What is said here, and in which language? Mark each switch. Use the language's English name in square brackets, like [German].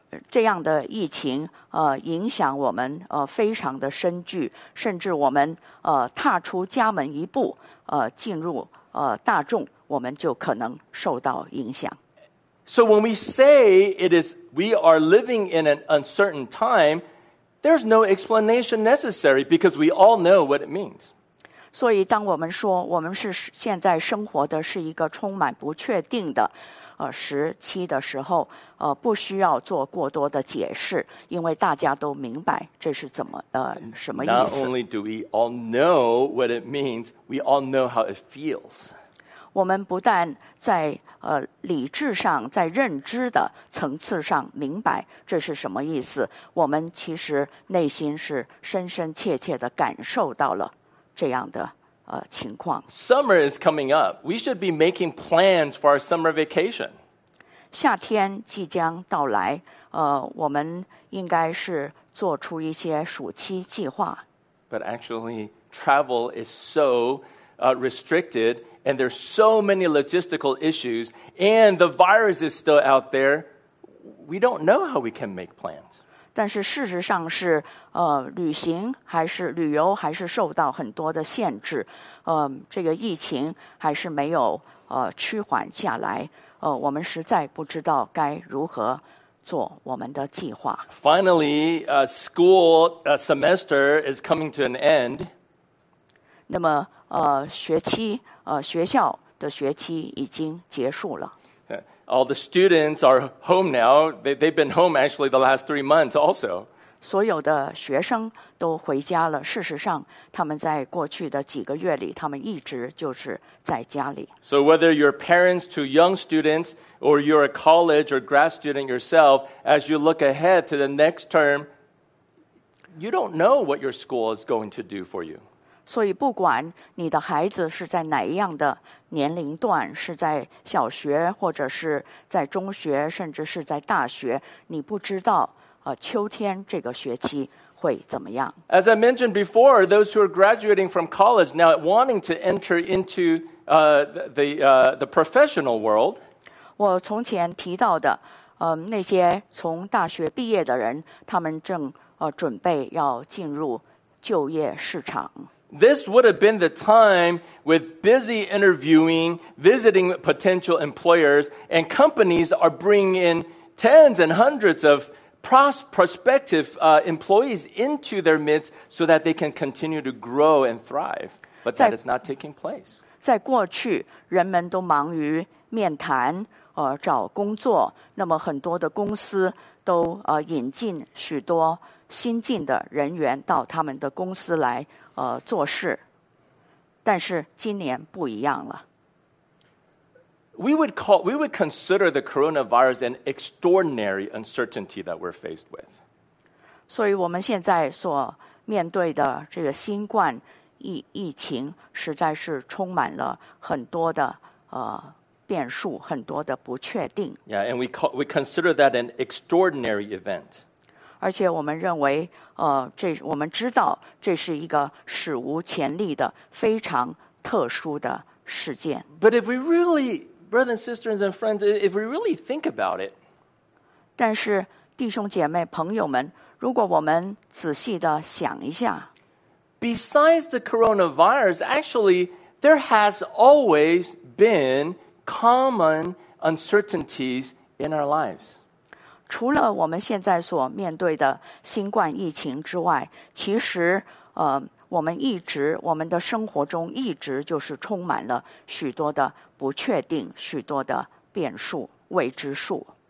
[Chinese] 这样的疫情影响我们非常的深距，甚至我们踏出家门一步进入大众，我们就可能受到影响。 [English] So when we say we are living in an uncertain time, there's no explanation necessary because we all know what it means. [Chinese] 所以当我们说我们是现在生活的是一个充满不确定的时期的时候，不需要做过多的解释，因为大家都明白这是怎么什么意思。 [English] Not only do we all know what it means, we all know how it feels. [Chinese] 我们不但在理智上，在认知的层次上明白这是什么意思，我们其实内心是深深切切的感受到了这样的情况。 [English] Summer is coming up. We should be making plans for our summer vacation. [Chinese] 夏天即将到来，我们应该是做出一些暑期计划。 [English] But actually, travel is so restricted, and there's so many logistical issues, and the virus is still out there. We don't know how we can make plans. [Chinese] 但是事实上是，旅行还是旅游还是受到很多的限制，这个疫情还是没有趋缓下来，我们实在不知道该如何做我们的计划。 [English] Finally, school semester is coming to an end. [Chinese] 那么，学期，学校的学期已经结束了。 [English] All the students are home now. They've been home actually the last 3 months also. [Chinese] 所有的学生都回家了。事实上，他们在过去的几个月里，他们一直就是在家里。 [English] So whether you're parents to young students, or you're a college or grad student yourself, as you look ahead to the next term, you don't know what your school is going to do for you. [Chinese] 所以不管你的孩子是在哪样的年龄段，是在小学，或者是在中学，甚至是在大学，你不知道秋天这个学期会怎么样。 [English] As I mentioned before, those who are graduating from college now wanting to enter into the professional world. [Chinese] 我从前提到的，那些从大学毕业的人，他们正准备要进入就业市场。 [English] This would have been the time with busy interviewing, visiting potential employers, and companies are bringing in tens and hundreds of prospective employees into their midst so that they can continue to grow and thrive. But that is not taking place. [Chinese] 在过去，人们都忙于面谈，找工作，那么很多的公司都引进许多新进的人员到他们的公司来做事，但是今年不一样了。 [English] We would consider the coronavirus an extraordinary uncertainty that we're faced with. [Chinese] 所以我们现在所面对的这个新冠疫情，实在是充满了很多的变数，很多的不确定。 [English] Yeah, and we consider that an extraordinary event. [Chinese] 而且我们认为，我们知道这是一个史无前例的非常特殊的事件。 [English] But if we really, brothers and sisters and friends, if we really think about it, [Chinese] 但是弟兄姐妹朋友们，如果我们仔细的想一下 [English] ，Besides the coronavirus, actually there has always been common uncertainties in our lives. [Chinese] 除了我们现在所面对的新冠疫情之外，其实我们的生活中一直就是充满了许多的不确定，许多的变数，未知数。